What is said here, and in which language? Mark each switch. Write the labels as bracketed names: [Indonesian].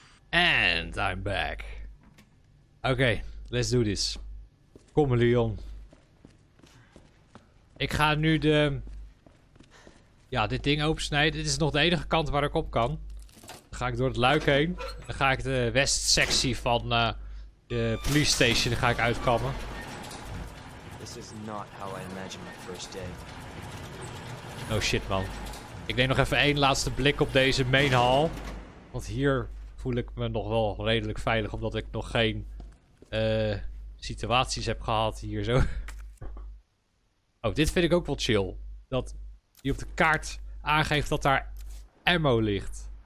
[English] And I'm back. Oké, okay, let's do this. [Dutch] Kom, [English] Leon. [Dutch] Ik ga nu de... Ja, dit ding opensnijden. Dit is nog de enige kant waar ik op kan. Dan ga ik door het luik heen. Dan ga ik de westsectie van de police station ga ik uitkammen. [English] This is not how I imagined my first day. No shit, man. [Dutch] Ik neem nog even één laatste blik op deze main hall. Want hier voel ik me nog wel redelijk veilig. Omdat ik nog geen situaties heb gehad hier zo. Oh, dit vind ik ook wel chill. Dat die op de kaart aangeeft dat daar ammo ligt.